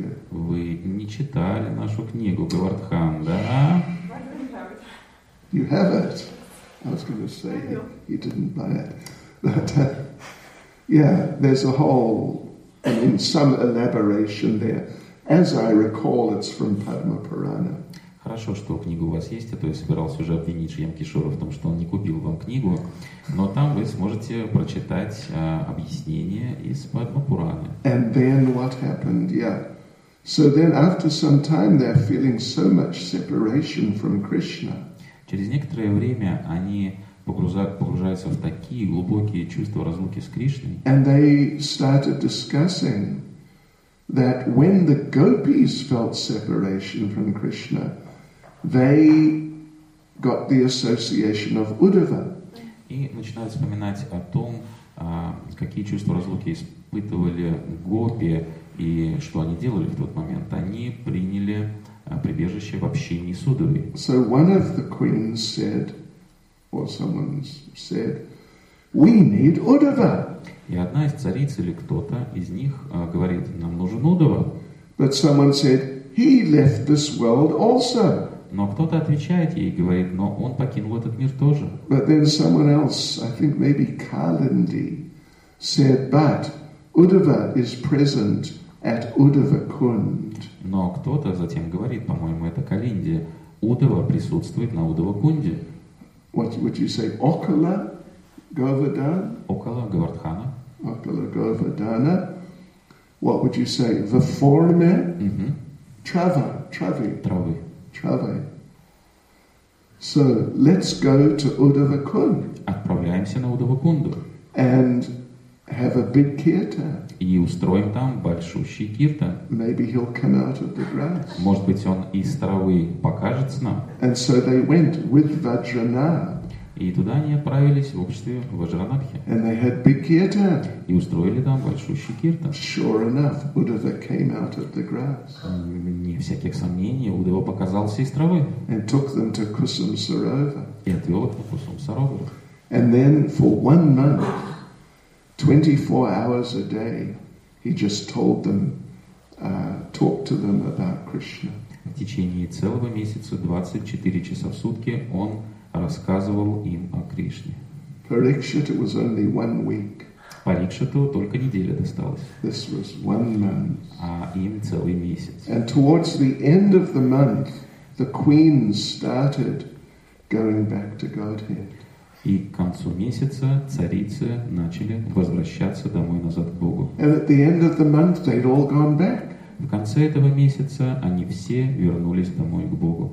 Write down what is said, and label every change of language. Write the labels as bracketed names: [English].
[Russian] Вы не читали нашу книгу Говардхан, да? [English] You have it. I was going to say you didn't buy it. But, yeah, there's a whole, I mean, some elaboration there. As I recall, it's from Padma Purana. [Russian] Хорошо, что книга у вас есть, а то я собирался уже обвинить Шьям Кишора в том, что он не купил вам книгу. Но там вы сможете прочитать объяснение из Падма Пураны. [English] And then what happened? Yeah. So then after some time they're feeling so much separation from Krishna. [Russian] Через некоторое время они погружаются в такие глубокие чувства разлуки с Кришной. [English] And they started discussing that when the gopis felt separation from Krishna, they got the association of Uddhava. [Russian] И начинают вспоминать о том, какие чувства разлуки испытывали гопи и что они делали в тот момент. Они приняли прибежище в общине Судовой. [English] So one of the queens said, or someone said, we need Uddhava. [Russian] И одна из цариц или кто-то из них говорит, нам нужен Удава. [English] But someone said, he left this world also. [Russian] Но кто-то отвечает ей и говорит, но он покинул этот мир тоже. [English] But then someone else, I think maybe Kalindi, said, but Uddhava is present at Uddhavakund. [Russian] Но кто-то затем говорит, по-моему, это Калинди, Удава присутствует на Уддхавакунде. [English] What would you say, Okala? Govardhan? Okala Govardhana. Okala Govardhana. What would you say? The former? Mm-hmm. [Russian] Trava. Travi. Travi. [English] Travi. So, let's go to Uddhavakund. [Russian] Отправляемся на Уддхавакунду. [English] And have a big kirtan. [Russian] И устроим там большущий киртан. [English] Maybe he'll come out of the grass. [Russian] Может быть, он из травы покажется нам. [English] And so they went with Vajranath. [Russian] И туда они отправились в обществе Ваджранабхи. [English] And they had big kirtan. [Russian] И устроили там большущий киртан. [English] Sure enough, Uddhava came out of the grass. [Russian] Не всяких сомнений, Уддхава показался из травы. [English] And took them to Kusum Sarova. [Russian] И отвел их на Кусум Сарову. [English] And then for one month, 24 hours a day, he just told them, talked to them about Krishna. [Russian] В течение целого месяца, 24 часа в сутки, он рассказывал им о Кришне. [English] Parikshit, it was only 1 week. [Russian] Парикшиту только неделя досталась. [English] This was 1 month. [Russian] А им целый месяц. [English] And towards the end of the month, the queens started going back to Godhead. [Russian] И к концу месяца царицы начали возвращаться домой назад к Богу. [English] And at the end of the month, they'd all gone back. [Russian] В конце этого месяца они все вернулись домой к Богу.